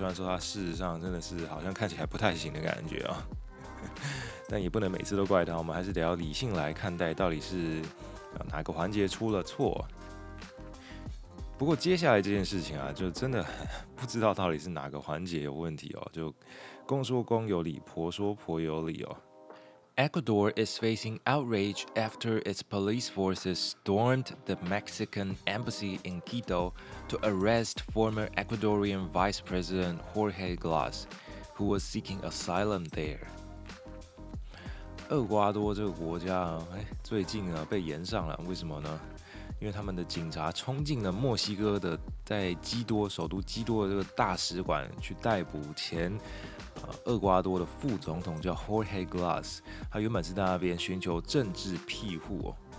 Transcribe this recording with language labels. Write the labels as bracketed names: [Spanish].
[Chinese] 虽然说它事实上真的是好像看起来不太行的感觉啊，但也不能每次都怪它，我们还是得要理性来看待到底是哪个环节出了错。不过接下来这件事情啊，就真的不知道到底是哪个环节有问题哦。就公说公有理，婆说婆有理哦。 [English] Ecuador is facing outrage after its police forces stormed the Mexican embassy in Quito to arrest former Ecuadorian Vice President Jorge Glass, who was seeking asylum there. [Chinese] 厄瓜多这个国家啊，最近啊被延上了，为什么呢？因为他们的警察冲进了墨西哥的在基多首都基多的这个大使馆，去逮捕前厄瓜多的副总统叫 Jorge Glass， 他原本是在那边寻求政治庇护。